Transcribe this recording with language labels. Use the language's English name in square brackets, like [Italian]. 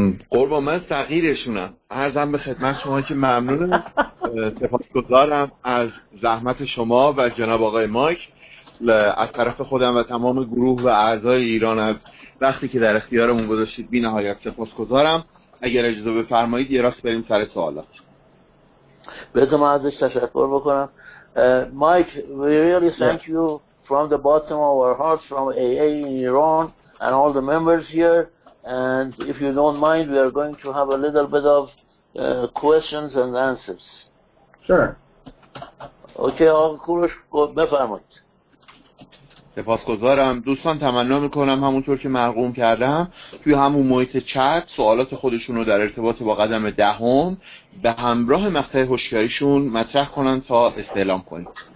[Persian] قربان من صغیرشونم عرضم به خدمت شما که ممنونم سپاسگزارم از زحمت شما و جناب آقای مایک از طرف خودم و تمام گروه و اعضای ایران از وقتی که در اختیارمون گذاشتید بی نهایت سپاسگزارم. اگر اجازه بفرمایید یه راست بریم سر سوالات. بذار من ازش تشکر بکنم. [English] Mike we really thank you from the bottom of our hearts from AA in Iran and all the members here. And if you don't mind, we are going to have a little bit of questions and answers. Sure. [Persian] Okay, آقای کوروش بفرمایید. سپاسگزارم. دوستان تمنا میکنم همونطور که مرقوم کردم توی همون محیط چت سوالات خودشون رو در ارتباط با قدم دهم به همراه مقطع هوشیاریشون مطرح کنن تا استعلام کنیم.